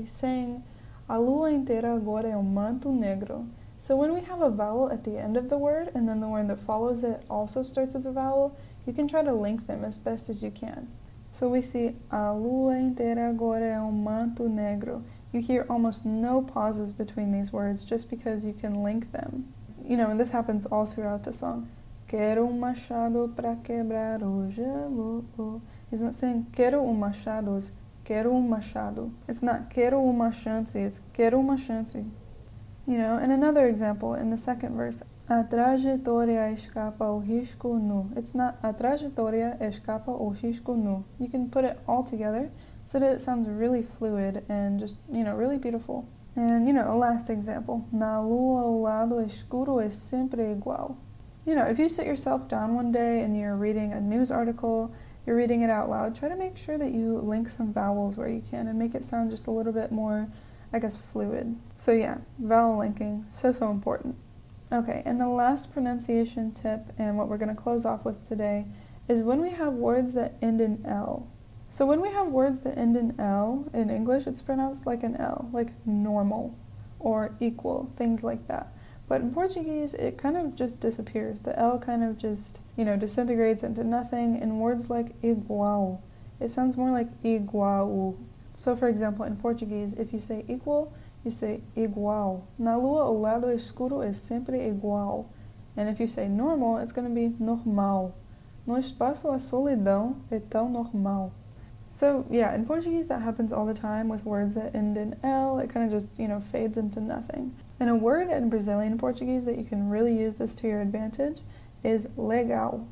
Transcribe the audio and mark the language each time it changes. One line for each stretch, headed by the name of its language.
English: He's saying
Portuguese: a lua inteira agora é um manto negro.
English: So when we have a vowel at the end of the word and then the word that follows it also starts with a vowel, you can try to link them as best as you can. So we see,
Portuguese: a lua inteira agora é um manto negro.
English: You hear almost no pauses between these words just because you can link them. You know, and this happens all throughout the song.
Portuguese: Quero machado pra quebrar o gelo.
English: He's not saying,
Portuguese: quero machado,
English: it's quero machado. It's not
Portuguese: quero chance,
English: it's quero chance. You know, and another example in the second verse.
Portuguese: A trajetória escapa o risco nu.
English: It's not
Portuguese: a trajetória escapa o risco nu.
English: You can put it all together so that it sounds really fluid and just, you know, really beautiful. And, you know, a last example.
Portuguese: Na lua o lado escuro é sempre igual.
English: You know, if you sit yourself down one day and you're reading a news article, you're reading it out loud, try to make sure that you link some vowels where you can and make it sound just a little bit more, I guess, fluid. So yeah, vowel linking, so, so important. Okay, and the last pronunciation tip and what we're going to close off with today is when we have words that end in L. So when we have words that end in L in English, it's pronounced like an L, like normal or equal, things like that. But in Portuguese, it kind of just disappears. The L kind of just, you know, disintegrates into nothing. In words like igual, it sounds more like iguau. So for example, in Portuguese, if you say equal, you say igual.
Portuguese: Na lua, o lado escuro é sempre igual.
English: And if you say normal, it's going to be normal.
Portuguese: No espaço, a solidão é tão normal.
English: So yeah, in Portuguese, that happens all the time with words that end in L. It kind of just, you know, fades into nothing. And a word in Brazilian Portuguese that you can really use this to your advantage is legal.